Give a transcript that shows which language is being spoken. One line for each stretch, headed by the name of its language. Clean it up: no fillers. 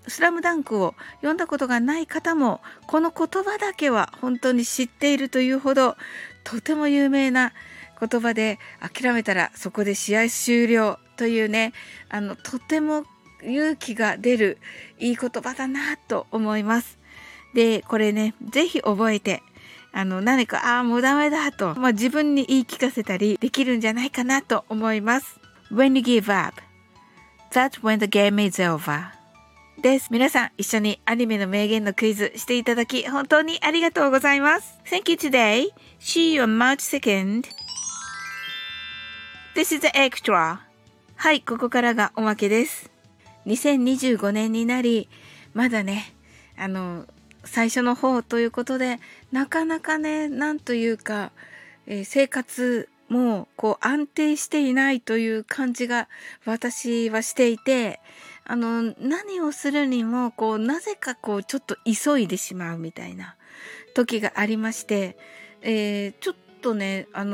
Japanese: スラムダンクを読んだことがない方も、この言葉だけは本当に知っているというほど、とても有名な言葉で、諦めたらそこで試合終了というね、とても勇気が出るいい言葉だなと思います。で、これね、ぜひ覚えて、何か、ああ、もうダメだと、まあ、自分に言い聞かせたりできるんじゃないかなと思います。
English: When you give up, that's when the game is over.
Japanese: です。皆さん、一緒にアニメの名言のクイズしていただき、本当にありがとうございます。
English: Thank you today. See you on March 2nd. This is the extra.
Japanese: はい、ここからがおまけです。2025年になり、まだね、最初の方ということで、なかなかね、なんというか、生活もこう安定していないという感じが私はしていて、何をするにもこうなぜかこうちょっと急いでしまうみたいな時がありまして、ちょっとね、